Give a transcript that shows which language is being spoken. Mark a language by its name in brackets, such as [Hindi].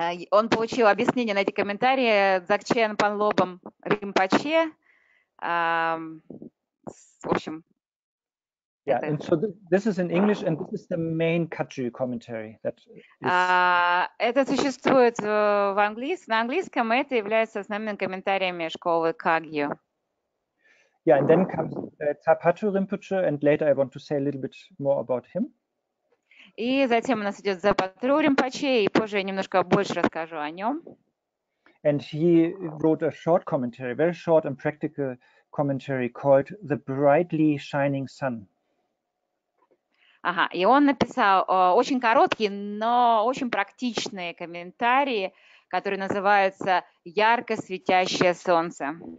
[Russian] Он получил объяснение на эти комментарии Дзакчен Панлобом Ринпоче. В общем. [English] Yeah, [Russian] это... [English] and so this is in English, and this is the main Kagyu commentary that is. [Russian] Это существует в английском, на английском, это является основными комментариями школы Кагью. [English] Yeah, and then comes Tsarpachu Rinpoche, and later I want to say a little bit more about him. [Russian] И затем у нас идет Дзапатру Ринпоче, и позже я немножко больше расскажу о нем. [English] And he wrote a short commentary, very short and practical commentary called The Brightly Shining Sun. [Russian] Ага, и он написал очень короткий, но очень практичный комментарий, который называется «Ярко светящее солнце».